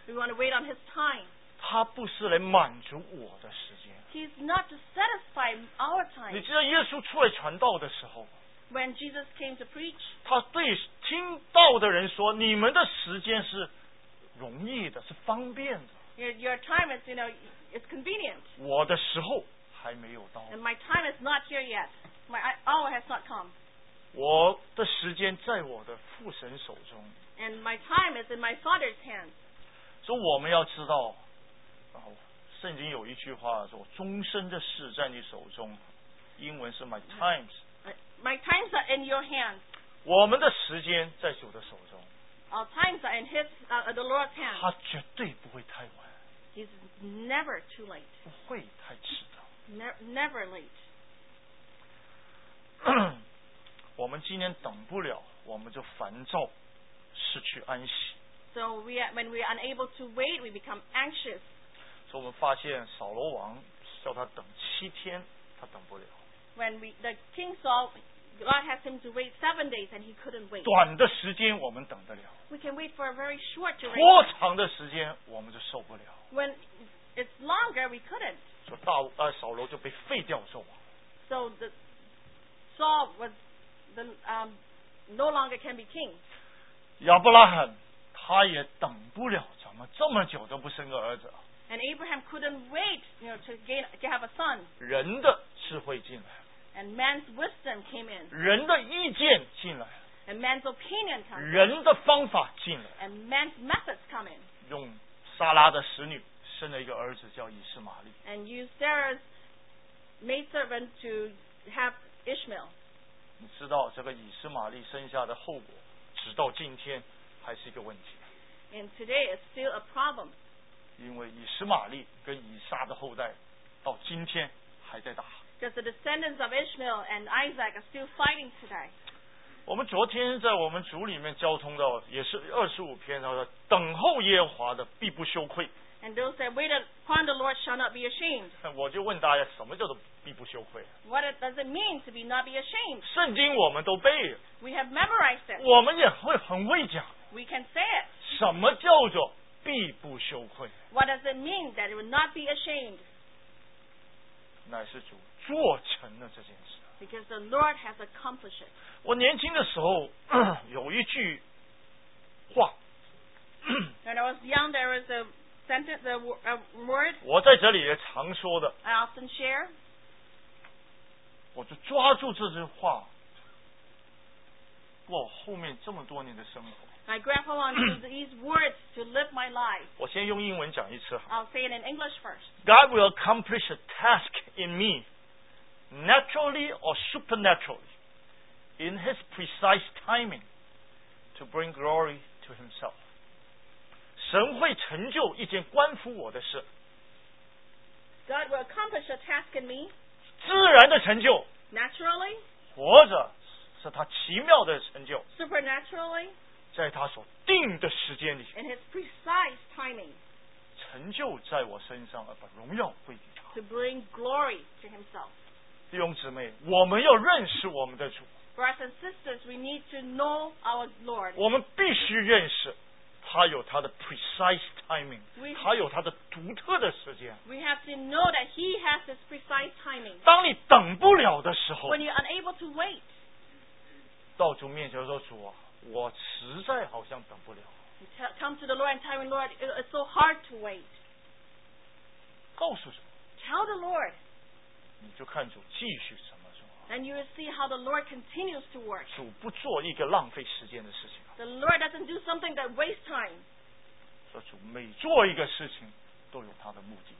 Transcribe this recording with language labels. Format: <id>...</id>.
<en>We want to wait on his time.</en> <zh>他不是来满足我的时间。</zh> <en>He's not to satisfy our time.</en> <zh>你知道耶稣出来传道的时候。</zh> <en>When Jesus came to preach.</en> <zh>他对听到的人说，你们的时间是容易的，是方便的。</zh> <en>Your time is, you know, it's convenient.</en> <zh>我的时候还没有到。</zh> <en>And my time is not here yet. My hour has not come.</en> <zh>我的时间在我的父神手中。</zh> <en>And my time is in my Father's hands.</en> <zh>所以我们要知道，圣经有一句话说，终身的事在你手中。英文是</zh> <en>my times. My times are in your hands.</en> <zh>我们的时间在主的手中。</zh> <en>Our times are in His, the Lord's hand.</en> <zh>他绝对不会太晚。</zh> <en>He's never too late.</en> <zh>不会太迟到。</zh> <en>Never late.</en> <zh>我们今天等不了，我们就烦躁，失去安息。</zh> <en>So when we are unable to wait, we become anxious.</en> <zh>所以我们发现扫罗王叫他等七天，他等不了。</zh> <en>When the king saw. God has him to wait 7 days and he couldn't wait.</en> <zh>短的时间我们等得了。</zh> <en>We can wait for a very short duration.</en> <zh>拖长的时间我们就受不了。</zh> <en>When it's longer, we couldn't.</en> <zh>说扫罗就被废掉做王。</zh> <en>So Saul was no longer can be king.</en> <zh>亚伯拉罕他也等不了，怎么这么久都不生个儿子。</zh> <en>And Abraham couldn't wait, you know, to have a son.</en> <zh>人的智慧进来。</zh> <en>And man's wisdom came in.</en> <zh>人的意见进来。</zh> <en>And man's opinion comes in.</en> <zh>人的方法进来。</zh> <en>And man's methods come in.</en> <zh>用撒拉的使女生了一个儿子叫以实玛利。</zh> <en>And use Sarah's maidservant to have Ishmael.</en> <zh>你知道这个以实玛利生下的后果，直到今天还是一个问题。</zh> <en>And today it's still a problem.</en> <zh>因为以实玛利跟以撒的后代，到今天还在打。</zh> <en>Because the descendants of Ishmael and Isaac are still fighting today.</en> <zh>我们昨天在我们组里面交通的也是25篇，他说等候耶和华的必不羞愧。</zh> <en>And those that wait upon the Lord shall not be ashamed.</en> <zh>我就问大家，什么叫做必不羞愧？</zh> <en>What does it mean to be not be ashamed?</en> <zh>圣经我们都背。</zh> <en>We have memorized it.</en> <zh>我们也会很会讲。</zh> <en>We can say it.</en> <zh>什么叫做必不羞愧？</zh> <en>What does it mean that it will not be ashamed?</en> <zh>乃是主做成了这件事。</zh> <en>Because the Lord has accomplished it.</en> <zh>我年轻的时候有一句话。</zh> <en>When I was young, there was a sentence, a word.</en> <zh>我在这里也常说的。</zh> <en>I often share.</en> <zh>我就抓住这句话，过后面这么多年的生活。</zh> <en>I grab hold on to these words to live my life.</en> <zh>我先用英文讲一次。</zh> <en>I'll say it in English first. God will accomplish a task in me. Naturally or supernaturally, in his precise timing, to bring glory to himself.</en> <zh>神会成就一件关乎我的事。</zh> <en>God will accomplish a task in me.</en> <zh>自然的成就。</zh> <en>Naturally.</en> <zh>活着是他奇妙的成就。</zh> <en>Supernaturally.</en> <zh>在他所定的时间里。</zh> <en>In his precise timing.</en> <zh>成就在我身上，而把荣耀归给他。</zh> <en>To bring glory to himself.</en> <zh>弟兄姊妹，我们要认识我们的主。</zh> <en>Brothers and sisters, we need to know our Lord.</en> <zh>我们必须认识，他有他的</zh> <en>precise timing，</en> <zh>他有他的独特的时间。</zh> <en>We have to know that He has His precise timing.</en> <zh>当你等不了的时候</zh> <en>，When you're unable to wait，</en> <zh>到主面前说：“主啊，我实在好像等不了。</zh> <en>”Come to the Lord and tell the Lord, it's so hard to wait.</en> <zh>告诉主。</zh> <en>Tell the Lord.</en> <zh>你就看主继续怎么做。</zh> <en>And you will see how the Lord continues to work.</en> <zh>主不做一个浪费时间的事情。</zh> <en>The Lord doesn't do something that wastes time.</en> <zh>说主每做一个事情都有他的目的。</zh>